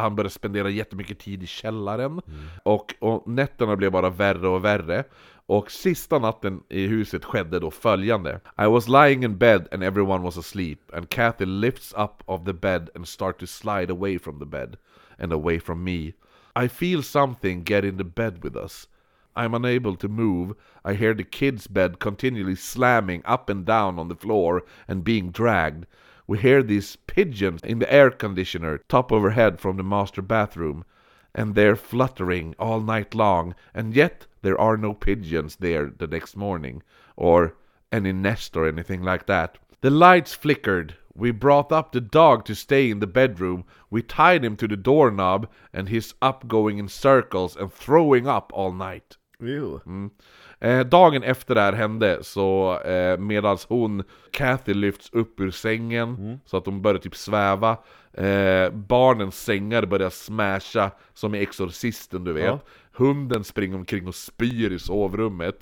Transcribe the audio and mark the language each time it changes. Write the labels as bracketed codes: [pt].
[sv] Han börjar spendera jättemycket tid i källaren. Mm. Och nätterna blev bara värre och värre. Och sista natten i huset skedde då följande. [en] I was lying in bed and everyone was asleep. And Kathy lifts up of the bed and start to slide away from the bed. And away from me. I feel something get in the bed with us. I'm unable to move. I hear the kids' bed continually slamming up and down on the floor and being dragged. We hear these pigeons in the air conditioner top overhead from the master bathroom. And they're fluttering all night long. And yet, there are no pigeons there the next morning. Or any nest or anything like that. The lights flickered. We brought up the dog to stay in the bedroom. We tied him to the doorknob and he's up going in circles and throwing up all night. Ew. Mm. [sv] Dagen efter det här hände så medan hon, Kathy, lyfts upp ur sängen så att hon börjar typ sväva. Barnens sängar börjar smasha som i Exorcisten, du vet. Ja. Hunden springer omkring och spyr i sovrummet.